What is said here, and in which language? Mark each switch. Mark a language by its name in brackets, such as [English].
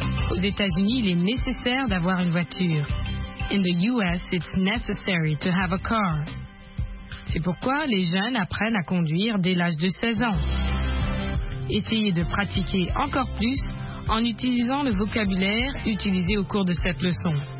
[French] Aux États-Unis, il est nécessaire d'avoir une voiture. [English] In the US, it's necessary to have a car. [French] C'est pourquoi les jeunes apprennent à conduire dès l'âge de 16 ans. Essayez de pratiquer encore plus en utilisant le vocabulaire utilisé au cours de cette leçon.